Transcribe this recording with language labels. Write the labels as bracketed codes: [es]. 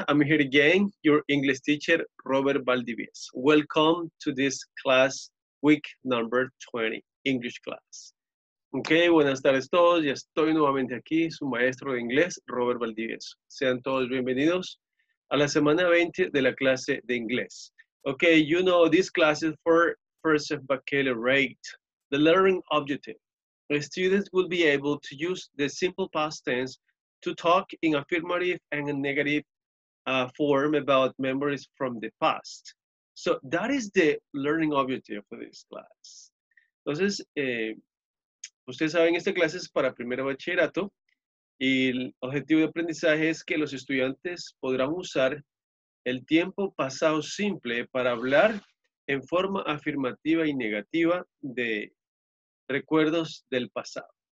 [en] I'm here again, your English teacher, Robert Valdivieso. Welcome to this class, week number 20, English class. [es] Okay, buenas tardes todos. Ya estoy nuevamente aquí, su maestro de inglés, Robert Valdivieso. Sean todos bienvenidos a la semana 20 de la clase de inglés. [en] Okay, you know, this class is for first of baccalaureate, the learning objective. The students will be able to use the simple past tense to talk in affirmative and a negative form about memories from the past. So that is the learning objective for this class. [es] Entonces, ustedes saben, esta clase es para primero bachillerato y el objetivo de aprendizaje es que los estudiantes podrán usar el tiempo pasado simple para hablar en forma afirmativa y negativa de recuerdos del pasado.